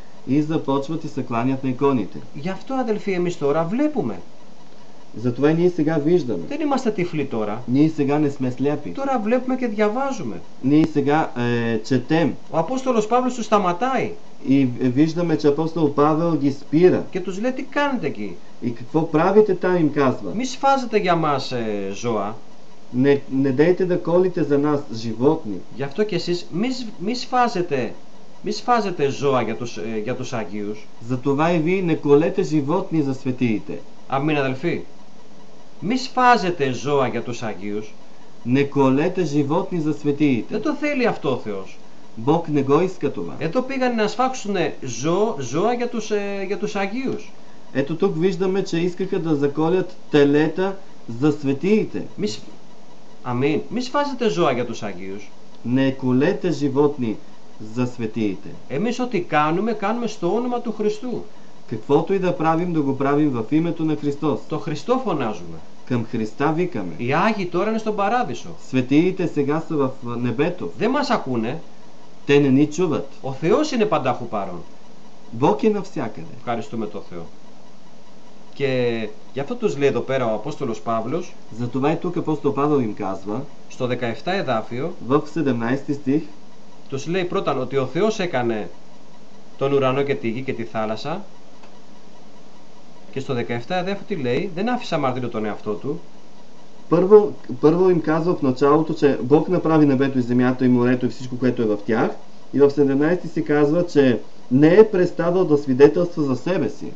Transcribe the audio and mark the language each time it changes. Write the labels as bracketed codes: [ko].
[bg] И започват и се кланят на иконите. [el] Γι' αυτό αδελφοί εμείς τώρα βλέπουμε. [bg] Затова и ние сега виждаме. [el] Δεν είμαστε τυφλοί τώρα. [bg] Ние сега не сме слепи. [el] Τώρα βλέπουμε και διαβάζουμε. [bg] Ние сега четем. [el] Ο Απόστολος Παύλος τους σταματάει. [bg] И виждаме, че Апостол Павел ги спира. [el] Και τους λέει τι κάνετε εκεί. [bg] И какво правите там им казва. [el] Μη σφάζετε για μας ζώα. [bg] Не дейте да колите за нас животни. [el] Γι' αυτό και εσείς μη σφάζετε. Μη σφάζετε ζώα για τους Άγιους. [bg] За това и вие не колете животни за светиите. [el] Αμήν αδελφοί. Μη σφάζετε ζώα για τους Άγιους. [bg] Не колете животни за светиите. [el] Δεν το θέλει αυτό ο Θεός. [bg] Бог не го иска това. [el] Εδώ πήγανε να σφάξουν ζώα για τους Άγιους. [bg] Ето тук виждаме, че искаха да заколят телета за светиите. [el] Αμήν. Μη σφάζετε ζώα για τους Άγιους. [bg] Не колете животни за светиите. [el] Εμείς ό,τι κάνουμε στο όνομα του Χριστού. [bg] Каквото и да правим, да го правим в името на Христос. [el] Το Χριστό φωνάζουμε. [bg] Към Христа викаме. [el] Οι Άγιοι τώρα είναι στον Παράδεισο. [bg] Светиите сега са в небето. [el] Δεν μας ακούνε. [bg] Те не ни чуват. [el] Ο Θεός είναι παντάχου παρόν. [bg] Бог е навсякъде. [el] Ευχαριστούμε το Θεό. Και γι' αυτό τους λέει εδώ πέρα ο Απόστολος Παύλος. [bg] Затова и тук Апостол Павел им казва. [el] Στο 17 εδάφιο. [bg] В 17 стих. [el] Τους λέει πρώτα ότι ο Θεός έκανε τον ουρανό και τη γη και τη θάλασσα. Και στο 17 εδάφιο τι λέει, δεν άφησε αμαρτύρο τον εαυτό του. [bg] Първо им казва в началото, че Бог направи небето и земята и морето и всичко, което е в тях. И в 17 си казва, че не е преставал да свидетелства за себе си.